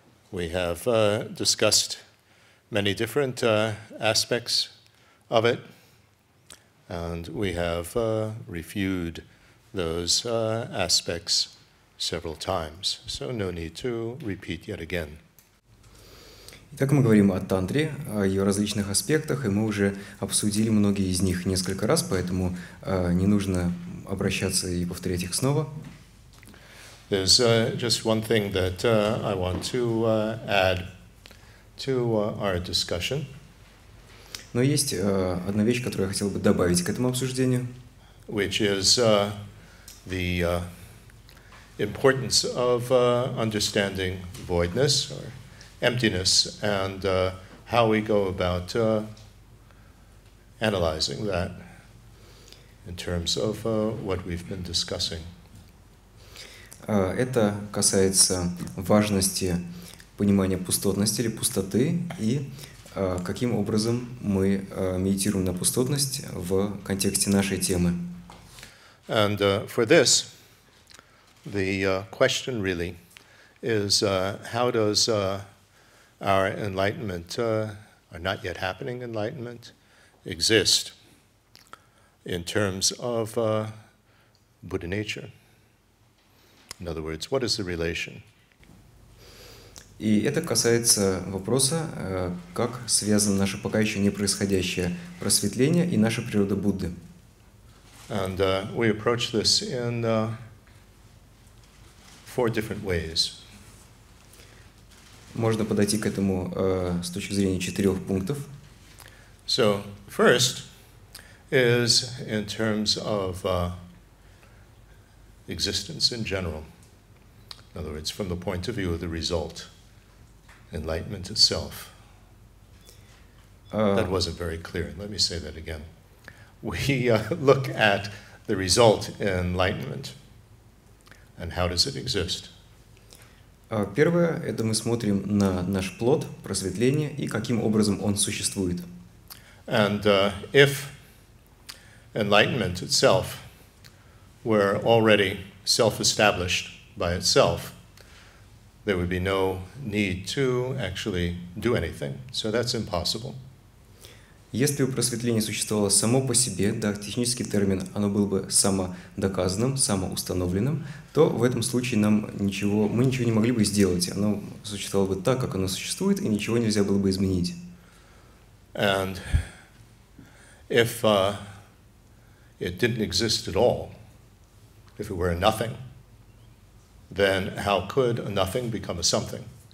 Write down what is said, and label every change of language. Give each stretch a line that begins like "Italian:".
English: We have discussed many different aspects of it, and we have reviewed those aspects several times. So, no need to repeat yet again.
Russian: Итак, мы говорим о тантре, о ее различных аспектах, и мы уже обсудили многие из них несколько раз, поэтому не нужно обращаться и повторять их снова.
English: There's just one thing that I want to add to our discussion.
Russian: Но есть одна вещь, которую я хотел бы добавить к этому обсуждению.
English: Which is the importance of understanding voidness, or emptiness, and how we go about analyzing that in terms of what we've been discussing.
Russian: Это касается важности понимания пустотности или пустоты и каким образом мы медитируем на пустотность в контексте нашей темы.
English: And for this, the question really is how does our enlightenment, our not yet happening enlightenment, exist in terms of Buddha nature. In other words, what is the relation?
Russian: И это касается вопроса, как связано наше пока еще не происходящее просветление и наша природа Будды.
English: And we approach this in four different ways.
Russian: Можно подойти к этому с точки зрения четырех пунктов.
English: So, first is in terms of existence in general. In other words, from the point of view of the result, enlightenment itself. That wasn't very clear. Let me say that again. We look at the result in enlightenment, and how does it exist?
Russian: Первое — это мы смотрим на наш плод, просветление, и каким образом он существует.
English: And if enlightenment itself were already self-established by itself, there would be no need to actually do anything. So that's impossible.
Russian: Если бы просветление существовало само по себе, да, технический термин, оно было бы самодоказанным, самоустановленным, то в этом случае нам ничего, мы ничего не могли бы сделать. Оно существовало бы так, как оно существует, и ничего нельзя было бы изменить.
English: And if it didn't exist at all, if it were a nothing, then how could a nothing become a something?